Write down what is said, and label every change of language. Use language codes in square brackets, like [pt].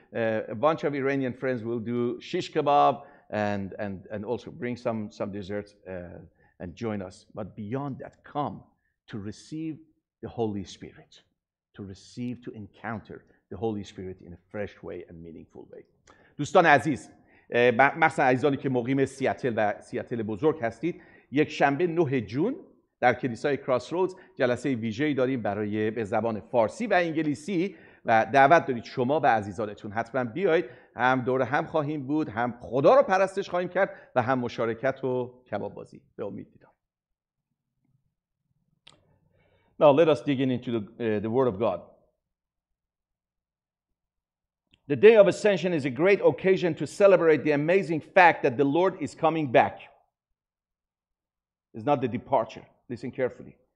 [en] A bunch of Iranian friends will do shish kebab and also bring some desserts and join us. But beyond that, come to receive the Holy Spirit, to receive, to encounter the Holy Spirit in a fresh way and meaningful way. [fa] دوستان عزیز، مثلا عزیزانی که مقیم سیاتل و سیاتل بزرگ هستید، یک شنبه 9 جون در کلیسای کراس رودز جلسه ویژه‌ای داریم برای به زبان فارسی و انگلیسی و دعوت دارید شما و عزیزانتون حتما بیایید، هم دور هم خواهیم بود، هم خدا رو پرستش خواهیم کرد و هم مشارکت و کباب بازی. به امید دیدم. [en] Now let us dig into the word of God. The day of ascension is a great occasion to celebrate the amazing fact that the Lord is coming back. It's not the departure. Listen carefully.